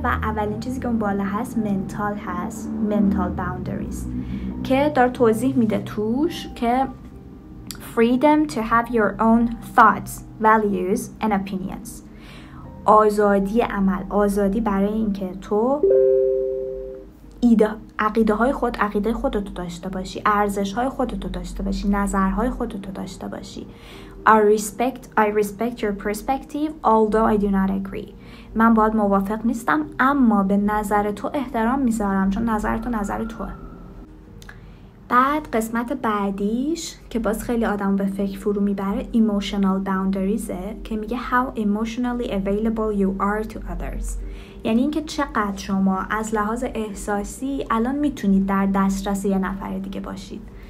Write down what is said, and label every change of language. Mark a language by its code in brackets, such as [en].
[fa] و اولین چیزی که اون بالا هست منتال هست، منتال باوندریز، که داره توضیح میده توش که [en] freedom to have your own thoughts, values and opinions، [fa] آزادی عمل، آزادی برای اینکه تو ایده، عقیده های خود، عقیده خودتو داشته باشی، ارزش های خودتو داشته باشی، نظرهای خودتو داشته باشی. [en] I respect your perspective although I do not agree. [fa] من باید موافق نیستم اما به نظر تو احترام میذارم، چون نظر تو نظر توه. بعد قسمت بعدیش که باز خیلی آدم به فکر فرو میبره [en] emotional boundaries، [fa] که میگه [en] how emotionally available you are to others، [fa] یعنی اینکه چقدر شما از لحاظ احساسی الان میتونید در دسترس یه نفر دیگه باشید.